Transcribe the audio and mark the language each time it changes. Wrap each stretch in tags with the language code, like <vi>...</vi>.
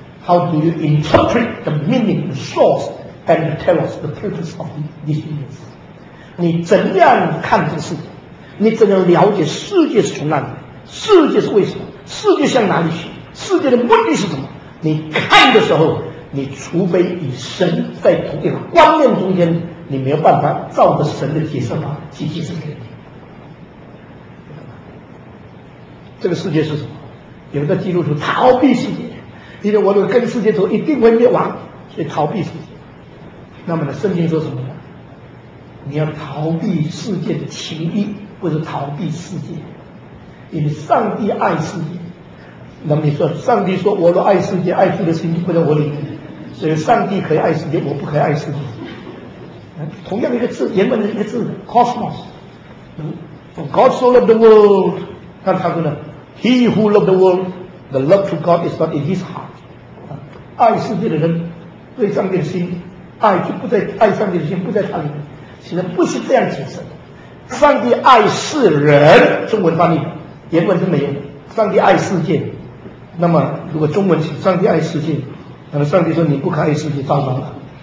<en>How do you interpret the meaning, the source and the telos, the purpose of this universe?</en> <zh>你怎样看这个世界？你怎样了解世界是从哪里？世界是为什么？世界向哪里去？世界的目的是什么？你看的时候，你除非与神在同一个观念中间，你没有办法照着神的解释法去解释给你。这个世界是什么？有的基督徒逃避世界，因为我都跟世界走，一定会灭亡，所以逃避世界。那么呢，圣经说什么呢？你要逃避世界的情欲，不是逃避世界。因为上帝爱世界，那么你说上帝说我若爱世界，爱父的心就不在我里面，所以上帝可以爱世界，我不可以爱世界。同样一个字，原文的一个字 cosmos。</zh> <en>God so loved the world，</en> <zh>那他说呢，</zh> <en>He who loved the world， the love to God is not in his heart。</en> <zh>爱世界的人对上帝的心爱就不在，爱上帝的心不在他里面。其实不是这样解释的，上帝爱世人，中文翻译原文是没有，上帝爱世界。那么如果中文是上帝爱世界，那么上帝说你不可爱世界，糟糕了。</zh>